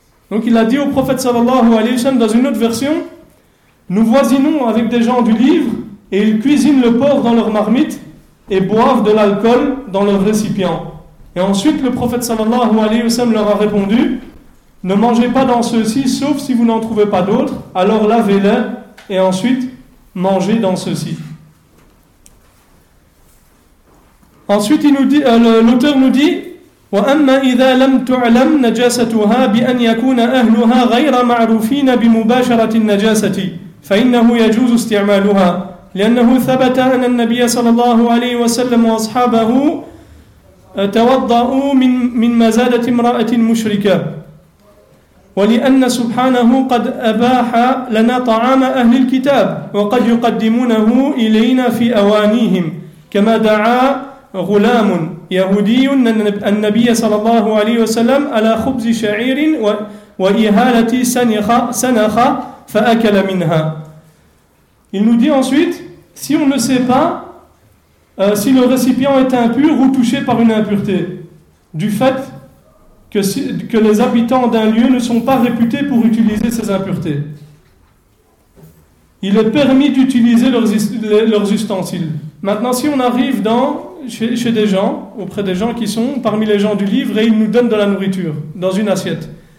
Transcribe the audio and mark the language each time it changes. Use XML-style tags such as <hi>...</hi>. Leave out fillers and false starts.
<fr>Donc il a dit au prophète sallallahu alayhi wa sallam dans une autre version, nous voisinons avec des gens du livre et ils cuisinent le porc dans leur marmite et boivent de l'alcool dans leur récipient. Et ensuite le prophète sallallahu alayhi wa sallam leur a répondu, ne mangez pas dans ceux-ci sauf si vous n'en trouvez pas d'autres, alors lavez-les et ensuite mangez dans ceux-ci. Ensuite l'auteur nous dit,</fr> <ar>وَأَمَّا إِذَا لَمْ تُعْلَمْ نَجَاسَتُهَا بِأَنْ يَكُونَ أَهْلُهَا غَيْرَ مَعْرُوفِينَ بِمُبَاشَرَةِ النَّجَاسَةِ فإنه يجوز استعمالها لأنه ثبت أن النبي صلى الله عليه وسلم وأصحابه توضأوا من مزادة امرأة مشركة. ولأن سبحانه قد أباح لنا طعام أهل الكتاب وقد يقدمونه إلينا في أوانيهم كما دعا غلام يهودي النبي صلى الله عليه وسلم على خبز شعير وإهالة سنخة فأكل منها.</ar> <fr>Il nous dit ensuite, si on ne sait pas si le récipient est impur ou touché par une impureté, du fait que les habitants d'un lieu ne sont pas réputés pour utiliser ces impuretés. Il est permis d'utiliser leurs ustensiles. Maintenant, si on arrive chez des gens, auprès des gens qui sont parmi les gens du livre, et ils nous donnent de la nourriture dans une assiette.</fr>